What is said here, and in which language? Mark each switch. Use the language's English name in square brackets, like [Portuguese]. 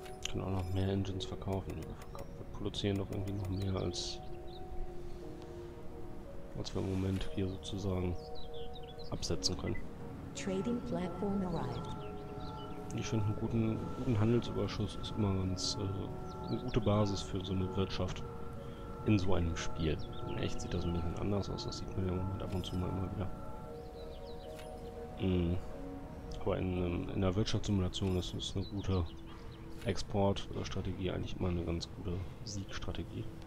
[German] Können auch noch mehr Engines verkaufen. Wir produzieren doch irgendwie noch mehr als wir im Moment hier sozusagen absetzen können. [English] Trading Platform arrived. [German] Ich finde, einen guten Handelsüberschuss ist immer ganz eine gute Basis für so eine Wirtschaft. In so einem Spiel. In echt sieht das ein bisschen anders aus, das sieht man ja im Moment ab und zu mal immer wieder. Aber in der Wirtschaftssimulation ist das eine gute Exportstrategie, eigentlich immer eine ganz gute Siegstrategie.